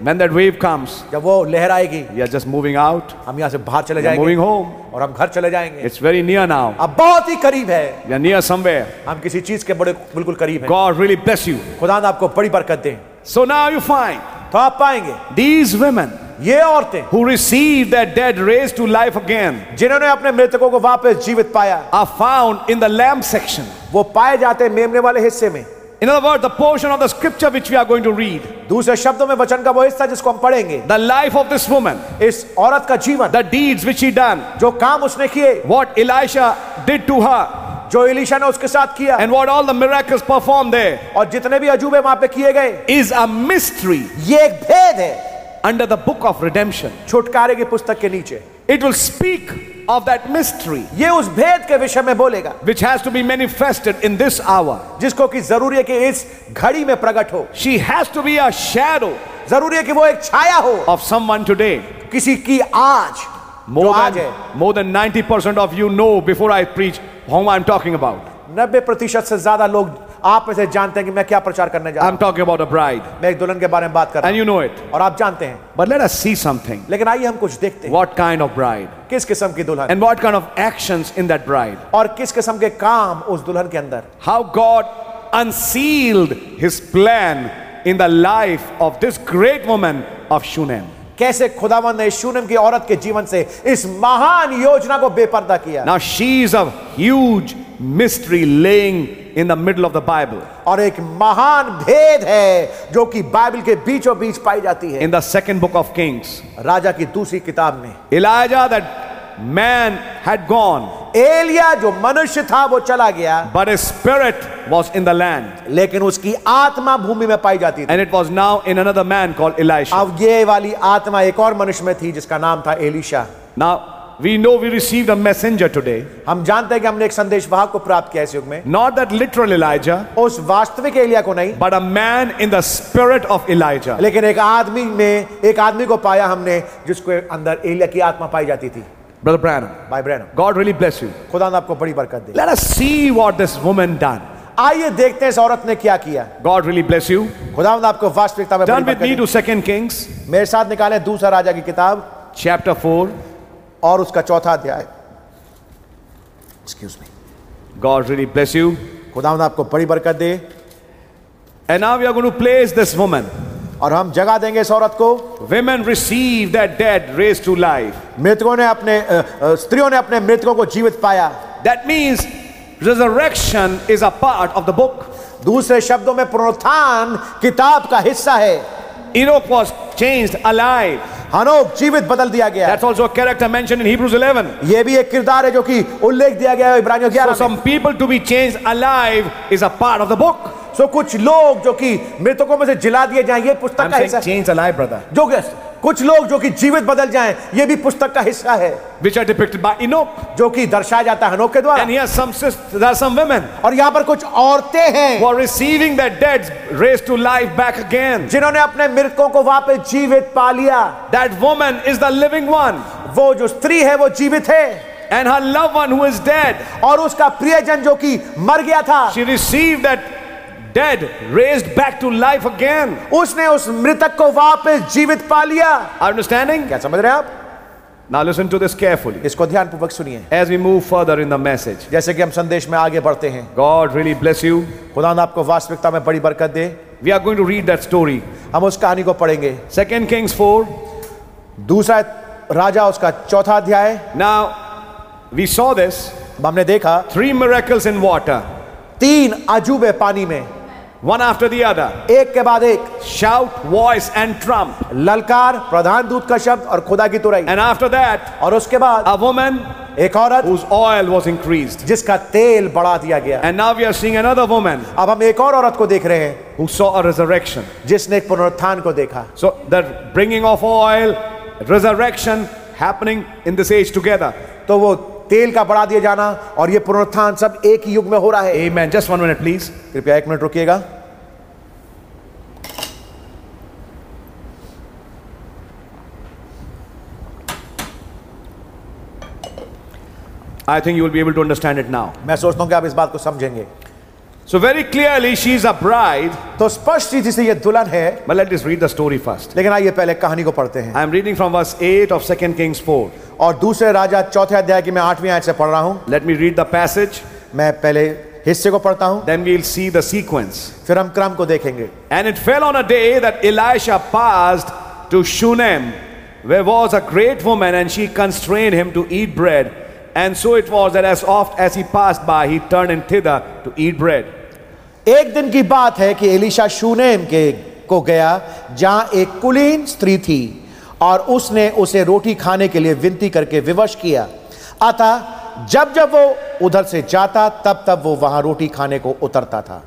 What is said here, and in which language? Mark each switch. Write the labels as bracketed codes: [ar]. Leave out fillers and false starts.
[en] When that wave comes. [hi] जब वो लहर आएगी. [en] We are just moving out. [hi] हम यहाँ से बाहर चले जाएंगे. [en] Moving home. [hi] और हम घर चले जाएंगे. [en] It's very near now. [hi] अब बहुत ही करीब है. [en] We are near somewhere. [hi] हम किसी चीज के बड़े बिल्कुल करीब हैं. [en] God really bless you. [hi] खुदा ने आपको बड़ी बरकत दे. [en] So now you find. [hi] तो आप पाएंगे. [en] These women. [hi] ये औरतें. [en] Who received their dead raised to life again. [hi] जिन्होंने अपने मृतकों को वापस जीवित पाया. [en] Are found in the lamb section. [hi] वो पाए जाते हैं मेमने वाले हिस्से में. [en] In other words, the portion of the scripture which we are going to read. [hi] दूसरे शब्दों में वचन का वो हिस्सा जिसको हम पढ़ेंगे. [en] The life of this woman. [hi] इस औरत का जीवन. [en] The deeds which she done. [hi] जो काम उसने किए. [en] What Elisha did to her. [hi] जो एलिशा ने उसके साथ किया. [en] And what all the miracles performed there. [hi] और जितने भी अजूबे वहां पे किए गए. [en] Is a mystery. [hi] ये एक भेद है. [en] Under the book of redemption. [hi] छुटकारे की पुस्तक के नीचे. [en] It will speak of that mystery. [hi] ये उस भेद के विषय में बोलेगा. [en] Which has to be manifested in this hour. [hi] जिसको कि जरूरी है कि इस घड़ी में प्रकट हो. [en] She has to be a shadow. [hi] जरूरी है कि वो एक छाया हो. [en] Of someone today. [hi] किसी की आज. [en] More than 90% of you know before I preach whom I'm talking about. [hi] 90% से ज्यादा लोग आप में से जानते हैं कि मैं क्या प्रचार करने जा रहा हूं. [en] I'm talking about a bride. [hi] मैं एक दुल्हन के बारे में बात कर रहा हूं. [en] And you know it. [hi] और आप जानते हैं. [en] But let us see something. [hi] लेकिन आइए हम कुछ देखते हैं. [en] What kind of bride? [hi] किस किस्म की दुल्हन? [en] And what kind of actions in that bride? [hi] और किस किस्म के काम उस दुल्हन के अंदर? [en] How God unsealed his plan in the life of this great woman of Shunem. [hi] कैसे खुदावन ने शूनम की औरत के जीवन से इस महान योजना को बेपर्दा किया. [en] Now she is a huge mystery laying in the middle of the Bible. [hi] और एक महान भेद है जो कि बाइबल के बीचों बीच पाई जाती है. [en] In the second book of Kings. [hi] राजा की दूसरी किताब में. [en] Elijah that man had gone. [hi] Elia जो मनुष्य था वो चला गया. [en] But his spirit was in the land. [hi] लेकिन उसकी आत्मा भूमि में पाई जाती थी. [en] And it was now in another man called Elisha. [hi] अब ये वाली आत्मा एक और मनुष्य में थी जिसका नाम था Elisha. [en] Now we know we received a messenger today. [hi] हम जानते हैं कि हमने एक संदेशवाहक को प्राप्त किया इस युग में. [en] Not that literal Elijah. [hi] उस वास्तविक एलिया को नहीं. [en] But a man in the spirit of Elijah. [hi] लेकिन एक आदमी को पाया हमने जिसके अंदर एलिया की आत्मा पाई जाती थी. [en] Brother Branham. By Branham. God really bless you. [hi] खुदा ने आपको बड़ी बरकत दी. [en] Let us see what this woman done. [hi] आइए देखते हैं इस औरत ने क्या किया. [en] God really bless you. [hi] खुदा ने आपको वास्तविकता में बड़ी बरकत दी. [en] Turn with me to 2 Kings. [hi] मेरे साथ निकालें दूसरा राजा की किताब. [en] Chapter 4. [hi] और उसका चौथा अध्याय. [en] Excuse me. God really bless you. [hi] खुदावंद आपको बड़ी बरकत दे. [en] And now we are going to place this woman. [hi] और हम जगह देंगे इस औरत को. [en] Women receive that dead raised to life. [hi] मृतकों ने अपने स्त्रियों ने अपने मृतकों को जीवित पाया. [en] That means resurrection is a part of the book. [hi] दूसरे शब्दों में पुनरुत्थान किताब का हिस्सा है. [en] Enoch was changed alive. [hi] हनोक जीवित बदल दिया गया. [en] That's also a character mentioned in Hebrews 11. [hi] ये भी एक किरदार है जो कि उल्लेख दिया गया है इब्रानियों 11. [en] So some people to be changed alive is a part of the book. [hi] So कुछ लोग जो कि मृतकों में से जिला दिए जाएं ये पुस्तक का हिस्सा. [en] I'm saying changed alive, brother. [hi] जो कि कुछ लोग जो कि जीवित बदल जाएं ये भी पुस्तक का हिस्सा है. [en] Which are depicted by Enoch. [hi] जो कि दर्शाया जाता है हनोक के द्वारा. [en] And here some women. [hi] और यहाँ पर कुछ औरतें हैं. [en] Who are receiving their dead raised to life back again. [hi] जिन्होंने अपने मृतकों को वापस जीवित पा लिया. [en] That woman is the living one. [hi] वो जो स्त्री है वो जीवित है. [en] And her loved one who is dead. [hi] और उसका प्रियजन जो कि मर गया था. [en] She received that dead raised back to life again. [hi] उसने उस मृतक को वापस जीवित पा लिया. [en] Are understanding? [hi] क्या समझ रहे हैं आप? [en] Now listen to this carefully. [hi] इसको ध्यानपूर्वक सुनिए. [en] As we move further in the message. [hi] जैसे कि हम संदेश में आगे बढ़ते हैं. [en] God really bless you. [hi] खुदा ने आपको वास्तविकता में बड़ी बरकत दे. [en] We are going to read that story. [hi] हम उस कहानी को पढ़ेंगे. [en] Second Kings 4. [hi] दूसरा राजा उसका चौथा अध्याय. [en] Now we saw this. [hi] हमने देखा. [en] 3 miracles in water. [hi] तीन अजूबे पानी में. [en] One after the other. [hi] एक के बाद एक. [en] Shout, voice, and trump. [hi] ललकार, प्रधान दूत का शब्द और खुदा की तुरही. [en] And after that. [hi] और उसके बाद. [en] A woman. [hi] एक औरत. [en] Whose oil was increased. [hi] जिसका तेल बढ़ा दिया गया. [en] And now we are seeing another woman. [hi] अब हम एक और औरत को देख रहे हैं. [en] Who saw a resurrection. [hi] जिसने एक पुनरुत्थान को देखा. [en] So the bringing of oil, resurrection happening in this age together. [hi] तो वो तेल का बढ़ा दिया जाना और ये पुनरुत्थान सब एक ही युग में हो रहा है. [en] Amen. Just one minute, please. [hi] कृपया एक minute रुकिएगा. [en] I think you will be able to understand it now. [hi] मैं सोचता हूं कि आप इस बात को समझेंगे. [en] So very clearly, she is a bride. [hi] तो स्पष्ट चीज़ से ये दुल्हन है. [en] But let us read the story first. [hi] लेकिन आइए पहले कहानी को पढ़ते हैं. [en] I am reading from verse 8 of 2 Kings 4. [hi] और दूसरे राजा चौथे अध्याय की मैं आठवीं आयत से पढ़ रहा हूँ. [en] Let me read the passage. [hi] मैं पहले हिस्से को पढ़ता हूँ. [en] Then we'll see the sequence. [hi] फिर हम क्रम को देखेंगे. [en] And it fell on a day that Elisha passed to Shunem, where was a great woman, and she constrained him to eat bread. And so it was that as oft as he passed by, he turned in thither to eat bread. [hi] एक दिन की बात है कि Elisha Shunem के को गया जहां एक कुलीन स्त्री थी और उसने उसे रोटी खाने के लिए विनती करके विवश किया. अतः जब जब वो उधर से जाता तब तब वो वहां रोटी खाने को उतरता था.